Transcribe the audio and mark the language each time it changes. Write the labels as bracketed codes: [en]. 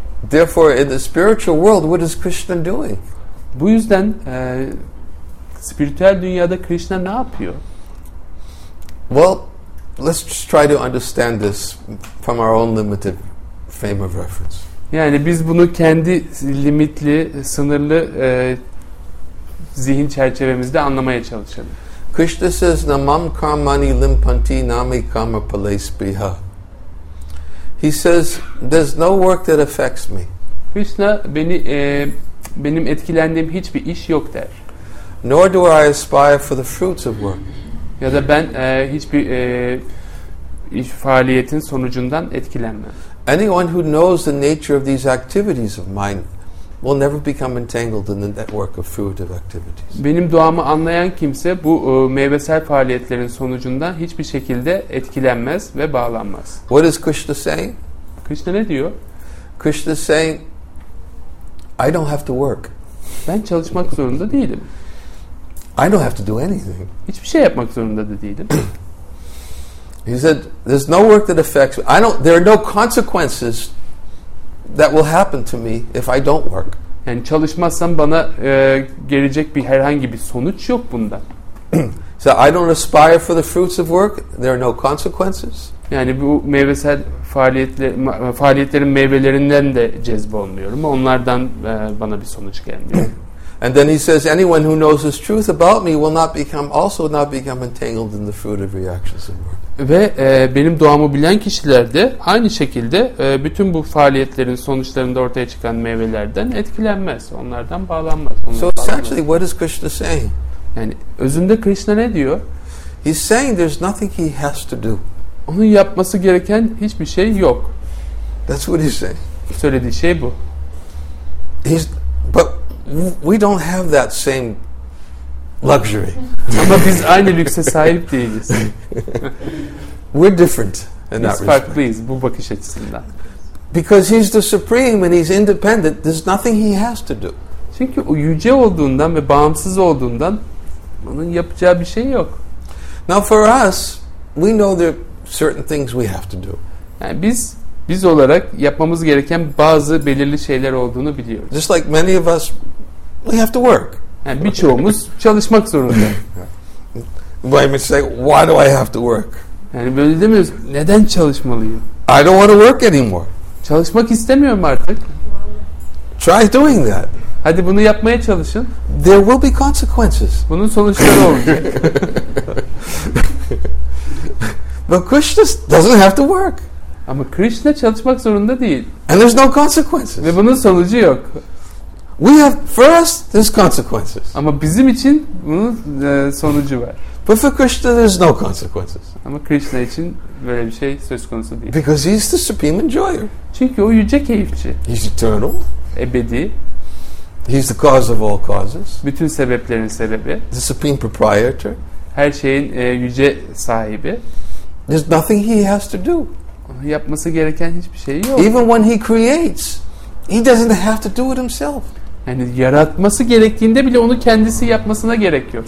[en] Therefore, in the spiritual world, what is Krishna doing? [tr] Bu yüzden spiritüel dünyada Krishna ne yapıyor? [en] Well, let's just try to understand this from our own limited frame of reference. [tr] Yani biz bunu kendi limitli, sınırlı zihin çerçevemizde anlamaya çalışalım. [en] Krishna says, [sa] namam karmani limpanti nami karma palespiha. [en] He says, "There's no work that affects me." [tr] Krishna beni benim etkilendiğim hiçbir iş yok der. [en] Nor do I aspire for the fruits of work. [tr] Ya da ben hiçbir iş faaliyetin sonucundan etkilenmem. [en] Anyone who knows the nature of these activities of mine will never become entangled in the network of fruitive activities. [tr] Benim duamı anlayan kimse bu meyvesel faaliyetlerin sonucunda hiçbir şekilde etkilenmez ve bağlanmaz. [en] What is Krishna saying? [tr] Krishna ne diyor? [en] Krishna saying, I don't have to work. [tr] Ben çalışmak zorunda değilim. [en] I don't have to do anything. [tr] Hiçbir şey yapmak zorunda da değilim. [en] He said, there's no work that affects me. There are no consequences that will happen to me if I don't work. [tr] Yani çalışmazsam bana gelecek bir herhangi bir sonuç yok bunda. [en] So I don't aspire for the fruits of work. There are no consequences. [tr] Yani bu meyvesel faaliyetlerin meyvelerinden de cezbolmuyorum. Onlardan bana bir sonuç gelmiyor. [en] And then he says, anyone who knows this truth about me will not become also not become entangled in the fruitive reactions of work. [tr] Ve benim doğamı bilen kişiler de aynı şekilde bütün bu faaliyetlerin sonuçlarında ortaya çıkan meyvelerden etkilenmez, onlardan bağlanmaz. [en] So essentially, what is Krishna saying? [tr] Yani özünde Krishna ne diyor? [en] He's saying there's nothing he has to do. [tr] Onun yapması gereken hiçbir şey yok. [en] That's what he's saying. [tr] Söylediği şey bu. [en] But we don't have that same luxury. [tr] Ama biz aynı lükse sahip değiliz. [en] We're different in that respect. [tr] Biz farklıyız bu bakış açısından. [en] Because he's the supreme and he's independent, there's nothing he has to do. [tr] Çünkü o yüce olduğundan ve bağımsız olduğundan onun yapacağı bir şey yok. [en] Now for us, we know there are certain things we have to do. [tr] Yani biz olarak yapmamız gereken bazı belirli şeyler olduğunu biliyoruz. [en] Just like many of us, we have to work. [tr] Yani birçoğumuz çalışmak zorunda. [en] Why me say, why do I have to work? [tr] Yani böyle demiyoruz, neden çalışmalıyım? [en] I don't want to work anymore. [tr] Çalışmak istemiyorum artık. [en] Try doing that. [tr] Hadi bunu yapmaya çalışın. [en] There will be consequences. [tr] Bunun sonuçları olacak. [en] But Krishna doesn't have to work. [tr] Ama Krishna çalışmak zorunda değil. [en] And there's no consequences. [tr] Ve bunun sonucu yok. [en] We have first there's consequences. [tr] Ama bizim için bunun sonucu var. [en] But for Krishna there's no consequences. [tr] Ama Krishna için böyle bir şey söz konusu değil. [en] Because he's the supreme enjoyer. [tr] Çünkü o yüce keyifçi. [en] He's eternal. [tr] Ebedi. [en] He's the cause of all causes. [tr] Bütün sebeplerin sebebi. [en] The supreme proprietor. [tr] Her şeyin yüce sahibi. [en] There's nothing he has to do. [tr] Yapması gereken hiçbir şey yok. [en] Even when he creates, he doesn't have to do it himself. [tr] Yani yaratması gerektiğinde bile onu kendisi yapmasına gerek yok.